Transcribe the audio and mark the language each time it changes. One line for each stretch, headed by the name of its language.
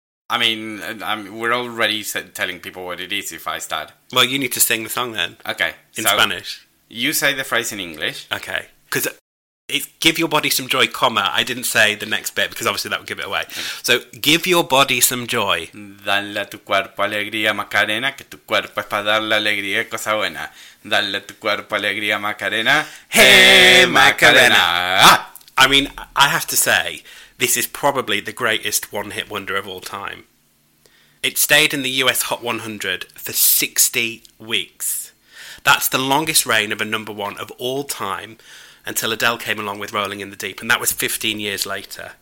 English: I mean, we're already telling people what it is if I start. Well, you need to sing the song then. Okay. In Spanish. You say the phrase in English. Okay. Because it's give your body some joy, comma. I didn't say the next bit because obviously that would give it away. So, give your body some joy.
Spanish: Dale a tu cuerpo alegría, Macarena, que tu cuerpo es para darle alegría, cosa buena. Dale a tu cuerpo alegría, Macarena. Hey, Macarena.
English: I mean, I have to say, this is probably the greatest one-hit wonder of all time. It stayed in the US Hot 100 for 60 weeks. That's the longest reign of a number one of all time, until Adele came along with Rolling in the Deep, and that was 15 years later.